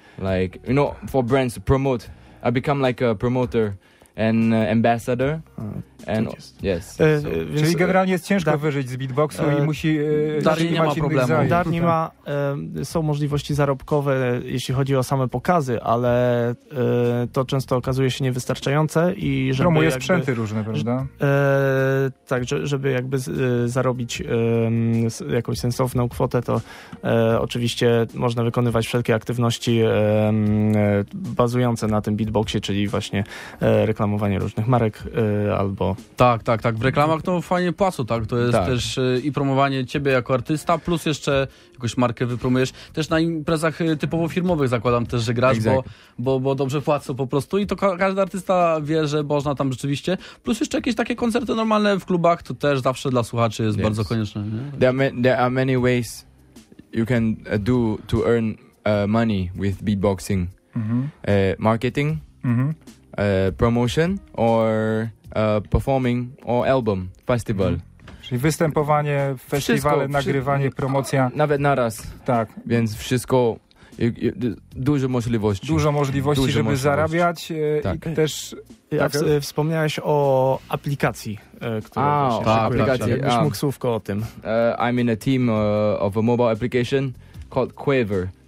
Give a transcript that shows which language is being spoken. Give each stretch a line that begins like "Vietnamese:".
English: Like, you know, for brands to promote. I become like a promoter and ambassador.
Polish: Więc, czyli generalnie jest ciężko wyżyć z beatboxu i musi... Darni nie ma problemu. Darni ma... są możliwości zarobkowe, jeśli chodzi o same pokazy, ale to często okazuje się niewystarczające i żeby... Promuje sprzęty różne, prawda? Tak, żeby jakby zarobić jakąś sensowną kwotę, to oczywiście można wykonywać wszelkie aktywności bazujące na tym beatboxie, czyli właśnie reklamowanie różnych marek albo Tak, tak, tak. W reklamach to fajnie płacą, tak? To jest też i promowanie ciebie jako artysta, plus jeszcze jakąś markę wypromujesz. Też na imprezach typowo firmowych zakładam też, że grasz, bo dobrze płacą po prostu. I to każdy artysta wie, że można tam rzeczywiście. Plus jeszcze jakieś takie koncerty normalne w klubach, to też zawsze dla słuchaczy jest bardzo konieczne.
English: There are many ways you can do to earn money with beatboxing. Marketing, promotion, or performing, or album, festival.
Polish: Czyli występowanie, festiwale, nagrywanie, promocja. Nawet naraz. Tak. Więc wszystko, dużo możliwości. Dużo możliwości, dużo żeby możliwości. Zarabiać. Tak. I też wspomniałeś o aplikacji, którą aplikacji. Jakbyś mógł słówko o tym.
English: I'm in a team of a mobile application called Quaver.